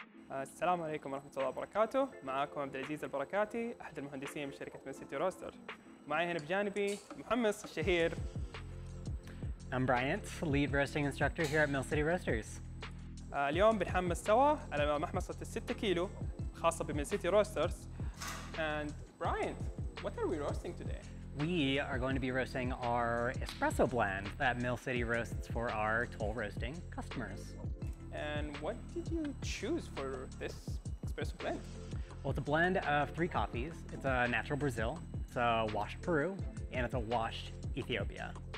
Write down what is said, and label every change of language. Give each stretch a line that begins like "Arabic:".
Arabic: السلام عليكم ورحمة الله وبركاته، معكم عبدالعزيز البركاتي أحد المهندسين من شركة ميزة روستر. معي هنا بجانبي محمص الشهير.
English: I'm Bryant, lead roasting instructor here at Mill City Roasters.
Arabic: اليوم بنحمص سوا على محمصة الستة كيلو خاصة بميل سيتي روسترز.
English: And Bryant, what are we roasting today? We are going to be roasting our espresso blend that Mill City roasts for our toll roasting customers. And what did you choose for this espresso blend? Well, it's a blend of three coffees. It's a natural Brazil, it's a washed Peru, and it's a washed Ethiopia.